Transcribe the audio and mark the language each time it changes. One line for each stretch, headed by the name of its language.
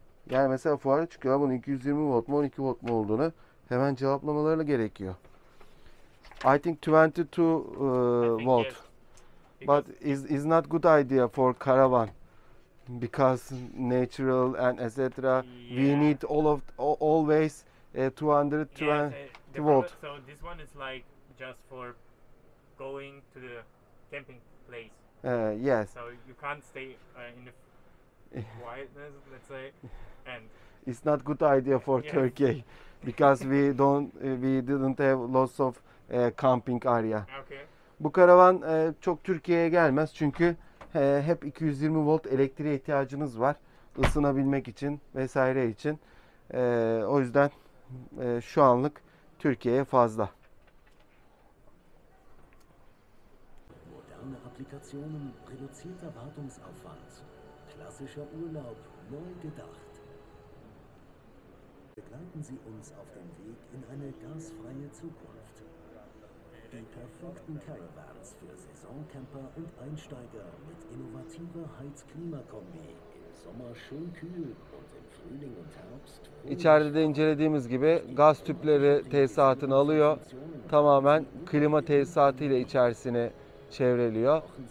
Turkish: Yani mesela fuara çıkıyor. Bunun 220 volt mu 12 volt mu olduğunu hemen cevaplamaları gerekiyor.
English: I think 22 I think volt. yes. But is not good idea for caravan. because natural and etc. We need always 220 volt. So this one is like just for going to the camping place. Yes. So you can't stay in the wilderness, let's say, and it's not good idea for Turkey because we don't we didn't have lots of camping area. Okay.
Turkish: Bu karavan çok Türkiye'ye gelmez çünkü hep 220 volt elektriğe ihtiyacınız var ısınabilmek için vesaire için. O yüzden şu anlık Türkiye'ye fazla.
German: Moderne Applikationen, reduzierter Wartungsaufwand. Klassischer Urlaub, neu gedacht. Begleiten Sie uns auf dem Weg in eine gasfreie Zukunft. Die perfekten Caravans für Saisoncamper und Einsteiger mit innovativer Heiz-Klima-Kombi. Im Sommer schön kühl und im Frühling und Herbst.
Turkish: İçeride de incelediğimiz gibi gaz tüpleri tesisatını alıyor. Tamamen klima tesisatı ile içerisine çevriliyor.